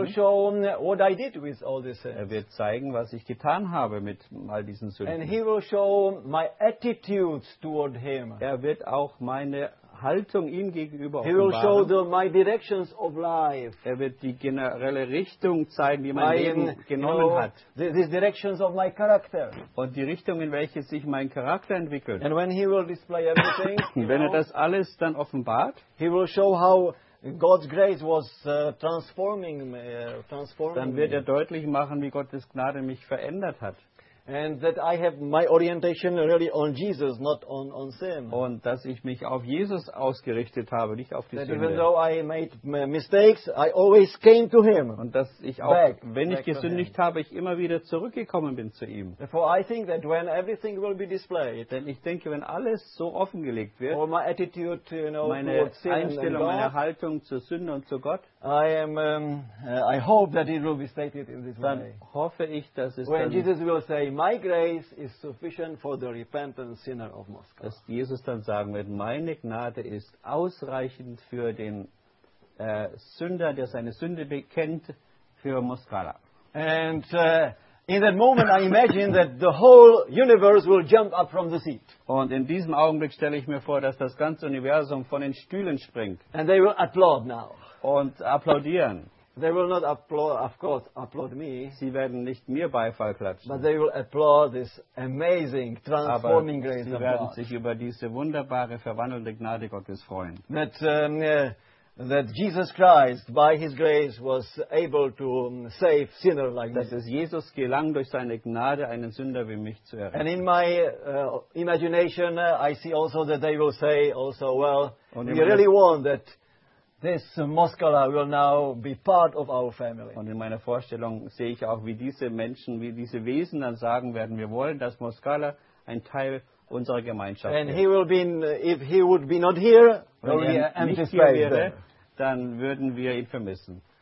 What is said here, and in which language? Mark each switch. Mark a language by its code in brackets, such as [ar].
[en] Will show what I did with all this sins. [de] Er wird zeigen, was ich getan habe mit all diesen Sünden. [en] And he will show my attitudes toward him. [de] Er wird auch meine Haltung ihm gegenüber [en] He will show the, my directions of life. [de] Er wird die generelle Richtung zeigen, wie mein Leben genommen hat. [en] These directions of my character. [de] Und die Richtung, in welche sich mein Charakter entwickelt. [en] And when he will display everything, [de] wenn er das alles dann offenbart, [en] he will show how God's grace was transforming [de] dann wird er [en] me. [de] Deutlich machen, wie Gottes Gnade mich verändert hat. [en] And that I have my orientation really on Jesus, not on sin. [de] Und dass ich mich auf Jesus ausgerichtet habe, nicht auf die [en] that [de] Sünde. [en] Even though I made mistakes, I always came to him. [de] Und dass ich auch, back, wenn back ich gesündigt habe, ich immer wieder zurückgekommen bin zu ihm. [en] For I think that when everything will be displayed, [de] denn ich denke, wenn alles so offengelegt wird, [en] or my attitude, you know, [de] meine Einstellung, [en] God, [de] meine Haltung zur Sünde und zu Gott, [en] I hope that it will be stated in this [de] dann [en] way. [de] Hoffe ich, dass es [en] when [de] dann [en] Jesus will say, My grace is sufficient for the repentant sinner of Moscow. [de] Dass Jesus dann sagen wird, meine Gnade ist ausreichend für den Sünder, der seine Sünde bekennt, für Moskala. [en] And in that moment I imagine that the whole universe will jump up from the seat. [de] Und in diesem Augenblick stelle ich mir vor, dass das ganze Universum von den Stühlen springt. [en] And they will applaud now. [de] Und applaudieren. [en] They will not applaud, of course, applaud me. [de] Sie werden nicht mir Beifall klatschen. [en] But they will applaud this amazing, transforming grace of God. [de] Aber sie werden sich über diese wunderbare, verwandelnde Gnade Gottes freuen. [en] That Jesus Christ, by His grace, was able to save sinners like this. [de] Dass es Jesus gelang, durch seine Gnade einen Sünder wie mich zu erretten. [en] And in my imagination, I see also that they will say, also, well, we really want that. This Moskala will now be part of our family. [de] Und in meiner Vorstellung sehe ich auch, wie diese Menschen, wie diese Wesen dann sagen werden, wir wollen, dass Moskala ein Teil unserer Gemeinschaft [en] and [de] ist. [en] He will be in, if he would be not here, [de] wenn er nicht hier wäre, there. Dann würden wir ihn vermissen.